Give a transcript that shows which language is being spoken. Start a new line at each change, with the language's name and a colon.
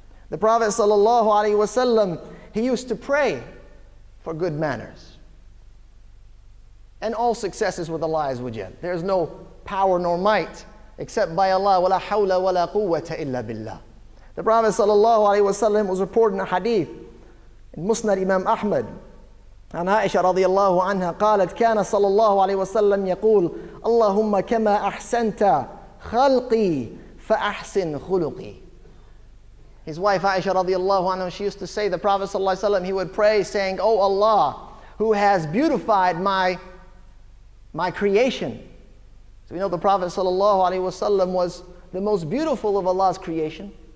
English: The Prophet sallallahu alaihi wasallam, he used to pray for good manners. And all success is with Allah azza wa jalla. There's no power nor might except by Allah.
Arabic: Wala hawla wala quwwata illa billah.
English: The Prophet sallallahu alaihi wasallam was reporting a hadith in Musnad Imam Ahmad.
Arabic: عن عائشة رضي الله عنها قالت كان صلى الله عليه وسلم يقول اللهم كما أحسنت خلقي فأحسن خلقي.
English: His wife Aisha
Arabic: رضي الله عنها,
English: she used to say, the Prophet
Arabic: صلى الله عليه وسلم,
English: he would pray saying, oh Allah, who has beautified my creation. So we know the Prophet
Arabic: صلى الله عليه وسلم
English: was the most beautiful of Allah's creation.